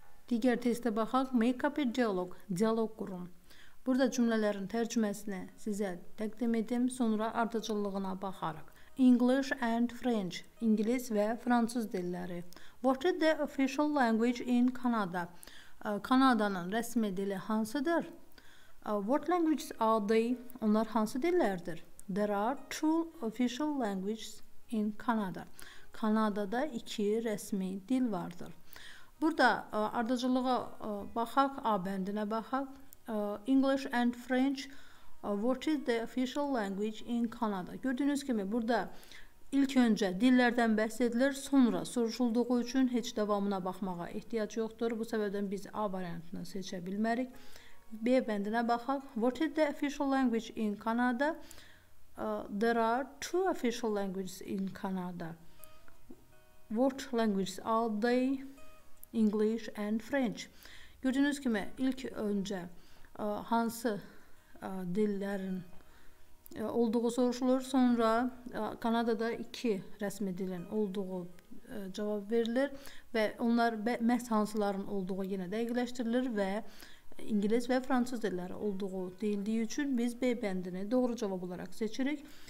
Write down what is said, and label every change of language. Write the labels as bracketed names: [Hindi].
[Azerbaijani] Digər testə baxaq. [English] Make up a dialogue. [Azerbaijani] Dialog qurun. Burada cümlələrin tərcüməsini sizə təqdim edim. Sonra ardıcıllığına baxarıq. [English] English and French. [Azerbaijani] İngiliz və fransız dilləri. [English] What is the official language in Canada? [Azerbaijani] Kanadanın rəsmi dili hansıdır? [English] What languages are they? [Azerbaijani] Onlar hansı dillərdir? [English] There are two official languages in Canada. [Azerbaijani] Kanadada iki rəsmi dil vardır. Burada ardıcılığa baxaq, A bəndinə baxaq. [English] English and French, what is the official language in Canada? [Azerbaijani] Gördüyünüz kimi burada ilk öncə dillərdən bəhs edilir, sonra soruşulduğu üçün heç davamına baxmağa ehtiyac yoxdur. Bu səbəbdən biz A variantını seçə bilmərik. B bəndinə baxaq, [English] what is the official language in Canada? There are two official languages in Canada. What languages are they? English and French. [Azerbaijani] Gördüyünüz kimi ilk öncə hansı dillərin olduğu soruşulur. Sonra Kanada'da iki rəsmi dilin olduğu cavab verilir. Və onlar məhz hansıların olduğu yenə dəqiqləşdirilir. Və İngiliz və Fransız dilləri olduğu deyildiyi üçün biz B bəndini doğru cavab olaraq seçirik.